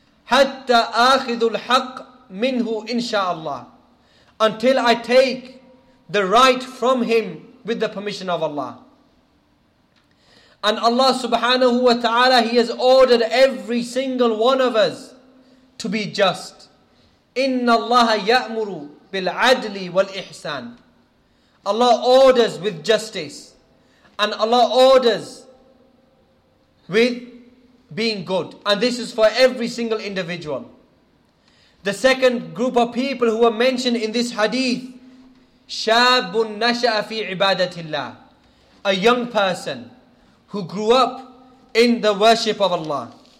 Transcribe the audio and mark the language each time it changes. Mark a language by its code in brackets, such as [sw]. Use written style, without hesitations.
[ar] حَتَّى أَخِذُ الْحَقِّ مِنْهُ إِنْشَاءَ اللَّهِ [en] Until I take the right from him with the permission of Allah. And Allah subhanahu wa ta'ala, He has ordered every single one of us to be just. [ar] إِنَّ اللَّهَ يَأْمُرُ بِالْعَدْلِ وَالْإِحْسَانِ [en] Allah orders with justice. And Allah orders with being good. And this is for every single individual. The second group of people who are mentioned in this hadith, [ar] شَابٌ نَشَأَ فِي عِبَادَةِ اللَّهِ [en] A young person who grew up in the worship of Allah.